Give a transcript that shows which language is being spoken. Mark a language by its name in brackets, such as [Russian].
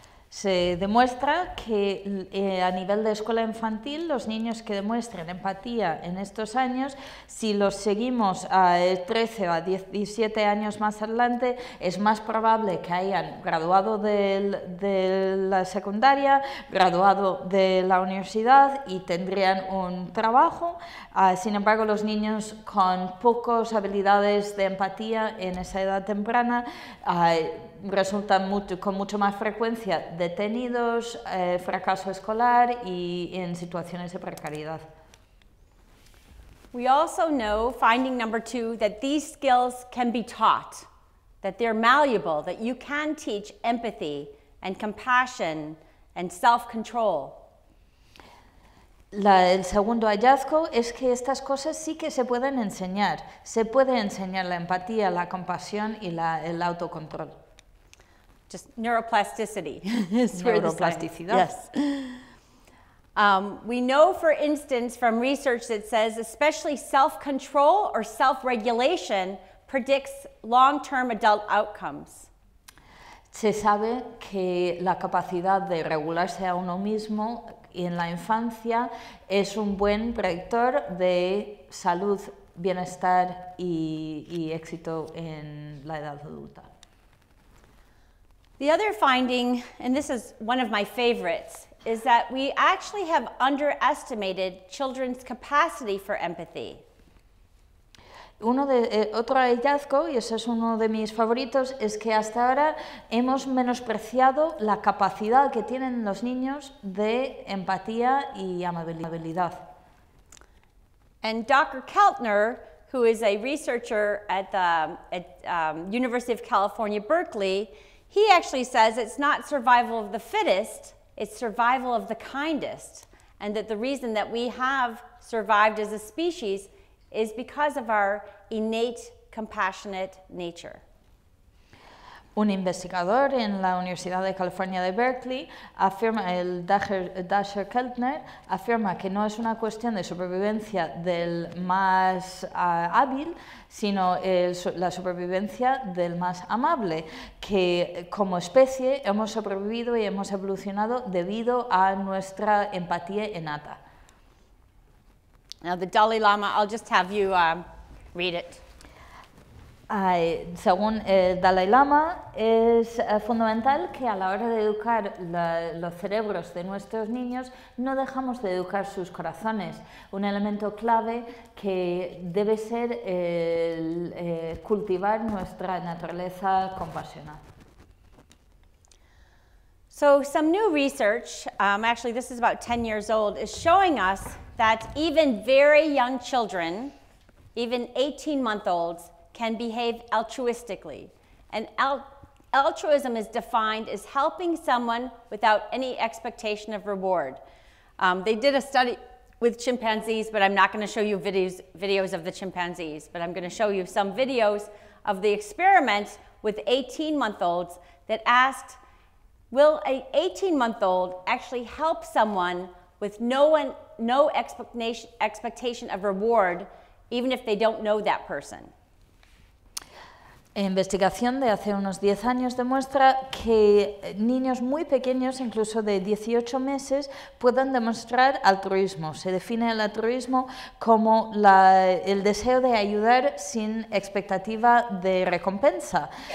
[Spanish] Se demuestra que a nivel de escuela infantil, los niños que demuestren empatía en estos años, si los seguimos a 13 o a 17 años más adelante, es más probable que hayan graduado de la secundaria, graduado de la universidad y tendrían un trabajo. Sin embargo, los niños con pocas habilidades de empatía en esa edad temprana resultan con mucho más frecuencia detenidos, fracaso escolar y en situaciones de precariedad. [English] We also know, finding number two, that these skills can be taught, that they're malleable, that you can teach empathy and compassion and self-control. [Spanish] El segundo hallazgo es que estas cosas sí que se pueden enseñar. Se puede enseñar la empatía, la compasión y el autocontrol. [English] Just neuroplasticity. [Spanish] Neuroplasticidad. [English] Yes. We know, for instance, from research that says especially self-control or self-regulation predicts long-term adult outcomes. [Spanish] Se sabe que la capacidad de regularse a uno mismo en la infancia es un buen predictor de salud, bienestar y éxito en la edad adulta. [English] The other finding, and this is one of my favorites, is that we actually have underestimated children's capacity for empathy. [Spanish] Otro hallazgo, y ese es uno de mis favoritos, es que hasta ahora hemos menospreciado la capacidad que tienen los niños de empatía y amabilidad. [English] And Dr. Keltner, who is a researcher at the University of California, Berkeley, he actually says it's not survival of the fittest, it's survival of the kindest. And that the reason that we have survived as a species is because of our innate, compassionate nature. [Spanish] Un investigador en la Universidad de California de Berkeley afirma, el Dasher Keltner, afirma que no es una cuestión de supervivencia del más hábil, sino la supervivencia del más amable, que como especie hemos sobrevivido y hemos evolucionado debido a nuestra empatía innata. [English] Now the Dalai Lama, I'll just have you read it. [Spanish] Según el Dalai Lama, es fundamental que a la hora de educar los cerebros de nuestros niños, no dejamos de educar sus corazones. Un elemento clave que debe ser cultivar nuestra naturaleza compasional. [English] So some new research, actually this is about 10 years old, is showing us that even very young children, even 18-month-olds, can behave altruistically. And altruism is defined as helping someone without any expectation of reward. They did a study with chimpanzees, but I'm not going to show you videos of the chimpanzees, but I'm going to show you some videos of the experiments with 18-month-olds that asked, will an 18-month-old actually help someone with no expectation of reward, even if they don't know that person? [Spanish] Investigación de hace unos 10 años demuestra que niños muy pequeños, incluso de 18 meses, pueden demostrar altruismo. Se define el altruismo como el deseo de ayudar sin expectativa de recompensa.